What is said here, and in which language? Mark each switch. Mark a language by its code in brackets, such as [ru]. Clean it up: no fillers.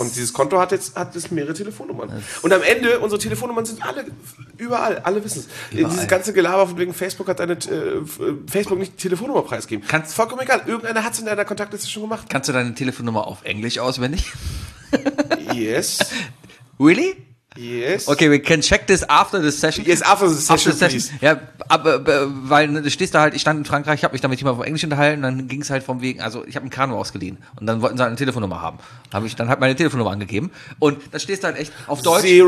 [de] Und dieses Konto hat jetzt mehrere Telefonnummern. Und am Ende, unsere Telefonnummern sind alle überall, alle wissen es. Dieses ganze Gelaber von wegen Facebook hat Facebook nicht die Telefonnummer preisgegeben. Kannst, vollkommen egal, irgendeiner hat es in deiner Kontaktliste schon gemacht. Kannst du deine Telefonnummer auf Englisch auswendig? [en] Yes. Really? Yes. Okay, we can check this after the session. Yes, after the session, after the session. [de] Ja, weil du stehst da halt, ich stand in Frankreich, habe mich damit jemand auf Englisch unterhalten, dann ging es halt vom Wegen, also ich habe ein Kanu ausgeliehen und dann wollten sie halt eine Telefonnummer haben. Dann hat meine Telefonnummer angegeben und dann stehst du halt echt auf Deutsch.